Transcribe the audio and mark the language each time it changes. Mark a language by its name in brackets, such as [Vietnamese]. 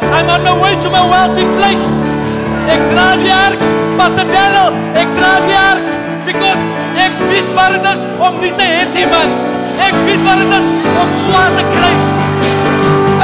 [English] I'm on my way to my wealthy place. [Afrikaans] Ek dra die ark, Pastor Dello. Ek dra die ark. Because ek weet waar dit is om nie te het nie, man. Ek weet waar dit is om swaar te kry.